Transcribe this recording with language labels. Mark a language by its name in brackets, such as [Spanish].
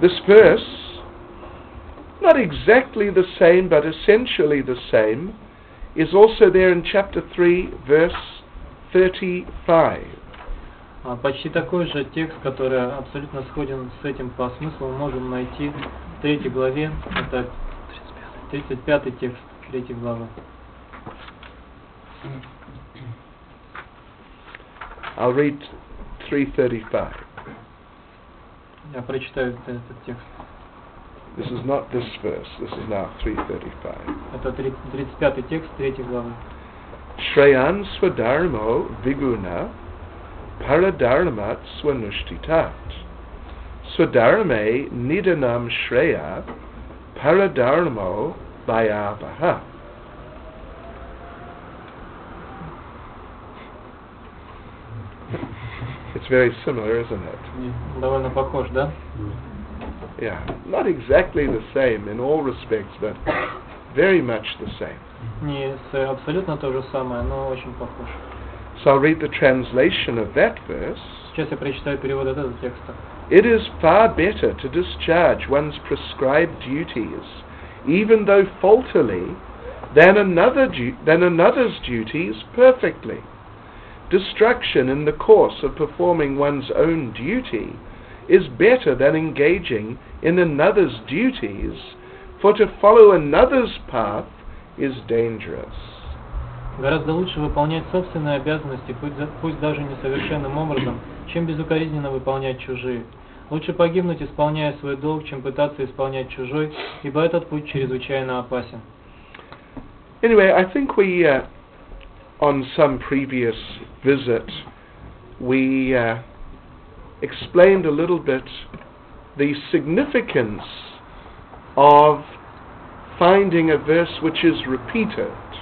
[English] This verse, not exactly the same, but essentially the same, is also there in chapter 3, verse 35. [Russian] Почти такой же текст, который абсолютно сходен с этим по смыслу, мы можем найти в третьей главе, это 35-й текст третьей главы. [English] I'll read 335. [Russian] Я прочитаю этот текст. [English] This is not this verse. This is now 335. [Russian] Это 35-й текст, 3-й главы. [Sanskrit] Shreyan swadharmo viguna paradharmat swanushtitat swadharme nidanam shreya paradharmo bayabaha. [English] It's very similar, isn't it? [Russian] Довольно похож, да? [English] Yeah, not exactly the same in all respects, but very much the same. [Russian] Не абсолютно то же самое, но очень похож. [English] So I'll read the translation of that verse. [Russian] Сейчас я прочитаю перевод этого текста. [English] It is far better to discharge one's prescribed duties, even though faultily, than another's duties perfectly. Destruction in the course of performing one's own duty is better than engaging in another's duties, for to follow another's path is dangerous. [Russian] Гораздо лучше выполнять собственные обязанности, пусть даже несовершенным образом, чем безукоризненно выполнять чужие. Лучше погибнуть, исполняя свой долг, чем пытаться исполнять чужой, ибо этот путь чрезвычайно опасен. [English] Anyway, I think we on some previous visit, we explained a little bit the significance of finding a verse which is repeated.